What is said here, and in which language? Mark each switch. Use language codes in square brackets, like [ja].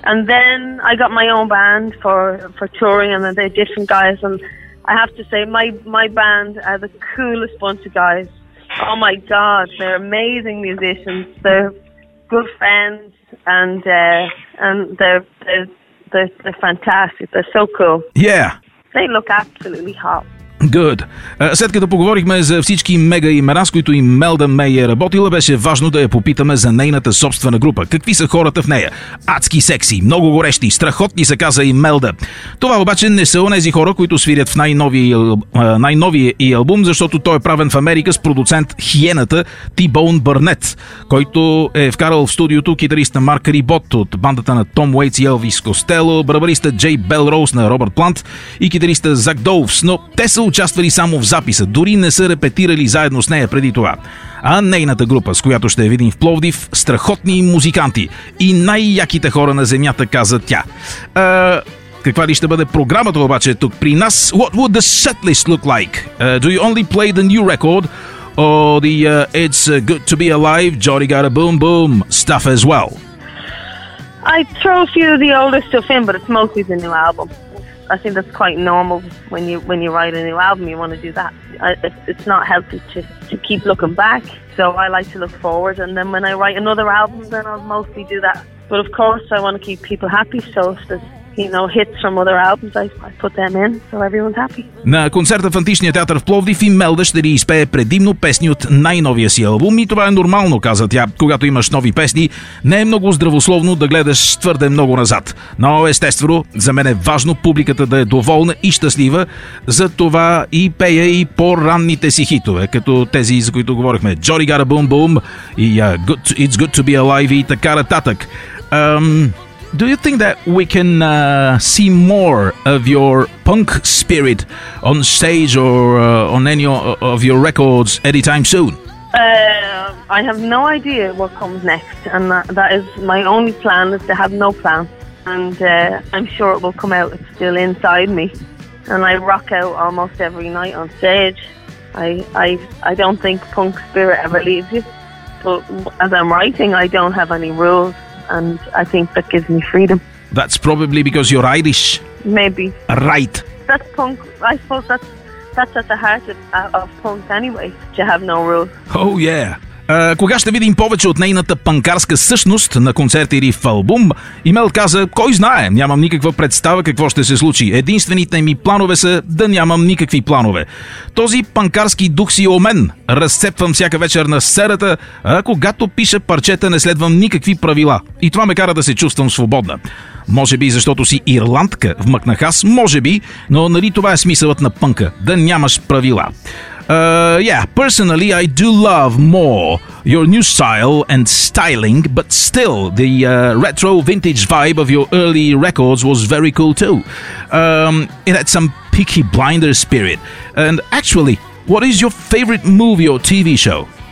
[en] And then I got my own band for touring, and then they're different guys, and I have to say my band are the coolest bunch of guys. Oh my God, they're amazing musicians. They're good friends and they're fantastic. They're so cool. Yeah. They look absolutely hot. Good. [bg] След като поговорихме за всички мега имена, с които и Мелда Мей е работила, беше важно да я попитаме за нейната собствена група. Какви са хората в нея? Адски секси, много горещи, страхотни, се каза и Мелда. Това обаче не са онези хора, които свирят в най-новия и албум, защото той е правен в Америка с продуцент Хиената Т-Боун Бърнет, който е вкарал в студиото китариста Марк Рибот от бандата на Том Уейтс и Елвис Костело, барабариста Джей Бел Роуз на Робърт Плант и китариста Зак Доувс, но те са участвали само в записа, дори не са репетирали заедно с нея преди това. А нейната група, с която ще я видим в Пловдив, страхотни музиканти и най-яките хора на земята, каза тя. Каква ли ще бъде програмата обаче тук при нас? [en] What would the set list look like? Do you only play the new record or the It's Good to be Alive, Jody Got a Boom Boom stuff as well? I throw a few of the older stuff in, but it's mostly the new album. I think that's quite normal when you write a new album, you want to do that. It's not healthy to keep looking back, so I like to look forward, and then when I write another album, then I'll mostly do that. But of course, I want to keep people happy, so if there's, you know, hits from other albums, I put them in, so everyone's happy. [bg] На концерта в Античния театър в Пловдив и Мелда ще ни изпее предимно песни от най-новия си албум, и това е нормално, каза тя. Когато имаш нови песни, не е много здравословно да гледаш твърде много назад. Но естествено, за мен е важно публиката да е доволна и щастлива, затова и пея и по-ранните си хитове, като тези, за които говорихме, Jody Got a Boom Boom и It's Good to be Alive и така нататък. [en] Do you think that we can see more of your punk spirit on stage or on any of your records anytime soon? I have no idea what comes next, and that is my only plan, is to have no plan, and I'm sure it will come out. It's still inside me. and I rock out almost every night on stage. I don't think punk spirit ever leaves you. But as I'm writing, I don't have any rules, and I think that gives me freedom. That's probably because you're Irish. Maybe. Right. That's punk. I suppose that's at the heart of punk anyway, to have no rules. Oh, yeah. [bg] Кога ще видим повече от нейната панкарска същност на концерт или в албум? Имел каза, кой знае, нямам никаква представа какво ще се случи. Единствените ми планове са да нямам никакви планове. Този панкарски дух си е у мен. Разцепвам всяка вечер на сцената, а когато пиша парчета не следвам никакви правила. И това ме кара да се чувствам свободна. Може би защото си ирландка, вмъкнах аз, може би, но нали това е смисълът на пънка, да нямаш правила. [en] Yeah, personally, I do love more your new style and styling, but still, the retro vintage vibe of your early records was very cool too. It had some Peaky Blinders spirit. And actually, what is your favorite movie or TV show?